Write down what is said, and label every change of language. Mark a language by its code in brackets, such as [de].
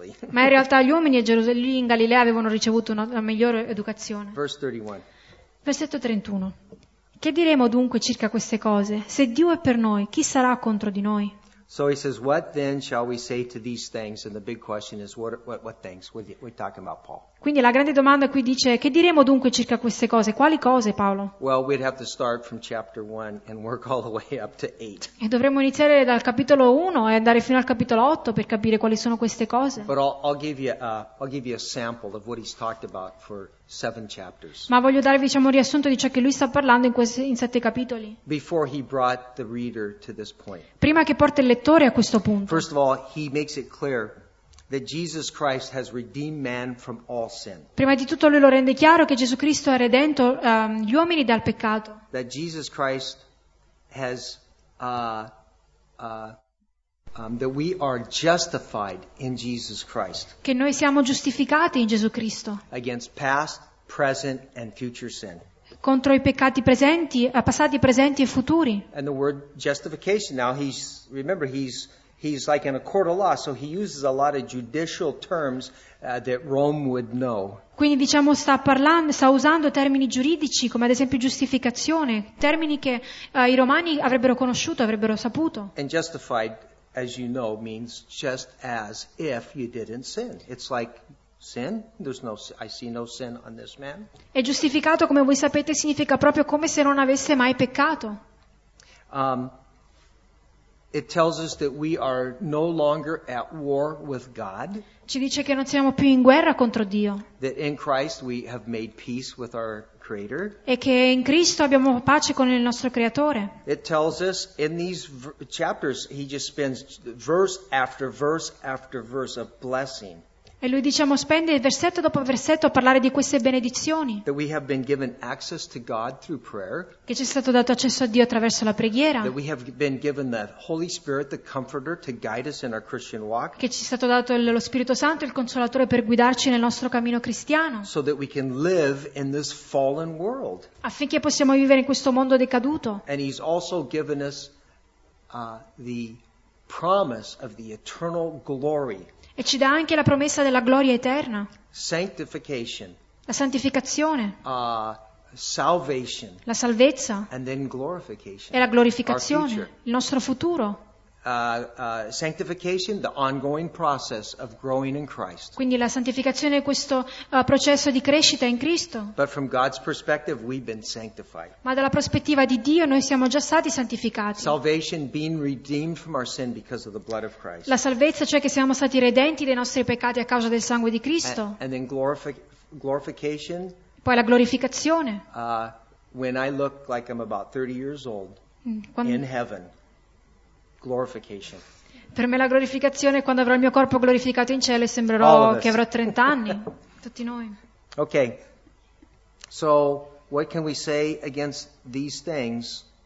[it] Ma in realtà gli uomini lì in Galilea avevano ricevuto una migliore educazione. Versetto 31. Che diremo dunque circa queste cose? Se Dio è per noi, chi sarà contro di noi? [en] So he says, what then shall we say to these things? And the big question is, what things? We're talking about Paul. [it] Quindi la grande domanda qui dice, che diremo dunque circa queste cose? Quali cose, Paolo? [en] Well, we'd have to start from chapter 1 and work all the way up to 8. [it] E dovremmo iniziare dal capitolo 1 e andare fino al capitolo 8 per capire quali sono queste cose. [en] But I'll give you a sample of what he's talked about for 7 chapters. [it] Ma voglio darvi, diciamo, un riassunto di ciò che lui sta parlando in 7 capitoli. [en] Before he brought the reader to this point. [it] Prima che porta il lettore a questo punto. [en] First of all, he makes it clear that Jesus Christ has redeemed man from all sin. [it] Prima di tutto lui lo rende chiaro che Gesù Cristo ha redento gli uomini dal peccato. [en] That Jesus Christ has that we are justified in Jesus Christ. [it] Che noi siamo giustificati in Gesù Cristo. [en] Against past, present and future sin. [it] Contro i peccati presenti, passati, presenti e futuri. [en] And the word justification, now he's like in a court of law, so he uses a lot of judicial terms that Rome would know. [it] Quindi diciamo sta usando termini giuridici, come ad esempio giustificazione, termini che i romani avrebbero conosciuto, avrebbero saputo. [en] And justified, as you know, means just as if you didn't sin. It's like sin. There's no, I see no sin on this man. [it] E giustificato, come voi sapete, significa proprio come se non avesse mai peccato. [en] It tells us that we are no longer at war with God. [it] Ci dice che non siamo più in guerra contro Dio. [en] That in Christ we have made peace with our Creator. [it] E che in Cristo abbiamo pace con il nostro Creatore. [en] It tells us in these chapters he just spends verse after verse after verse of blessing. [it] E lui, diciamo, spende versetto dopo versetto a parlare di queste benedizioni. [en] That we have been given access to God through prayer. [it] Che ci è stato dato accesso a Dio attraverso la preghiera. [en] That we have been given the Holy Spirit, the Comforter, to guide us in our Christian walk. [it] Che ci è stato dato lo Spirito Santo, il Consolatore, per guidarci nel nostro cammino cristiano. [en] So that we can live in this fallen world. [it] Affinché possiamo vivere in questo mondo decaduto. [en] And he's also given us the promise of the eternal glory. [it] E ci dà anche la promessa della gloria eterna. [en] Sanctification. [it] La santificazione. [en] Salvation. [it] La salvezza. [en] And then glorification. [it] E la glorificazione. Il nostro futuro. [en] Sanctification, the ongoing process of growing in Christ. [it] Quindi la santificazione è questo processo di crescita in Cristo. [en] But from God's perspective, we've been sanctified. [it] Ma dalla prospettiva di Dio noi siamo già stati santificati. [en] Salvation, being redeemed from our sin because of the blood of Christ. [it] La salvezza, cioè che siamo stati redenti dei nostri peccati a causa del sangue di Cristo. [en] And then glorification. [it] Poi la glorificazione. [en] When I look like I'm about 30 years old in heaven. Glorification. [it] Per me la glorificazione è quando avrò il mio corpo glorificato in cielo e sembrerò che avrò 30 anni. Tutti noi. [en] Okay. So, what can we say against these things?